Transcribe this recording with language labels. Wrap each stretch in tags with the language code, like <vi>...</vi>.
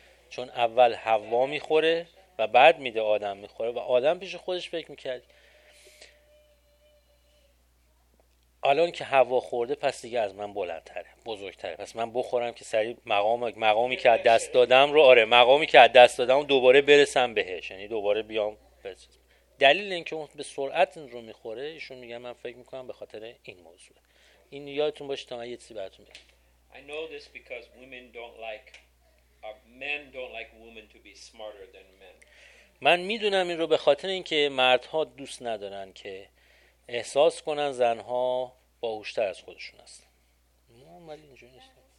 <fa>چون اول حوا میخوره و بعد میده آدم میخوره و آدم پیش خودش فکر میکرد الان که حوا خورده پس دیگه از من بلندتره، بزرگتره، پس من بخورم که سریع مقامی که از دست دادم رو، آره مقامی که از دست دادم دوباره برسم بهش، یعنی دوباره بیام برسم. دلیل این که اون به سرعت این رو میخوره، ایشون میگه من فکر میکنم به خاطر این موضوع. این یادتون باشه تا من یه چیزی براتون بگم.</fa> <en>I know this because women don't like men don't like women to be smarter than men.</en> <fa>من میدونم این رو به خاطر اینکه مردها دوست ندارن که احساس کنن زنها باهوشتر از خودشون هست. ما عمل اینجوری نیست.</fa>